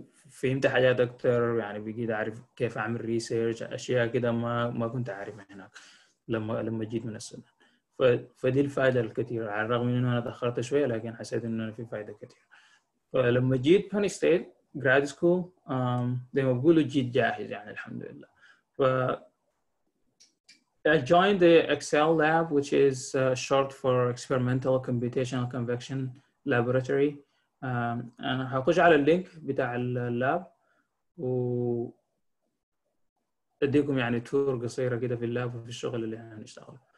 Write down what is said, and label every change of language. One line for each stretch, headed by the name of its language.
Arabic: فهمت حاجات اكتر يعني، بقيت اعرف كيف اعمل ريسيرش اشياء كده ما كنت عارفها هناك لما جيت من السودان. فدي الفائده الكثيره، على الرغم من انه انا تاخرت شويه لكن حسيت انه في فائده كثيره. فلما جيت بن ستيت جراد سكول زي ما بقولوا جيت جاهز يعني الحمد لله.
English: ف I joined the Excel lab, which is short for Experimental Computational Convection Laboratory.
Arabic: أنا هخش على اللينك بتاع اللاب و أديكم يعني تور قصيرة كده في اللاب وفي الشغل اللي هنشتغل.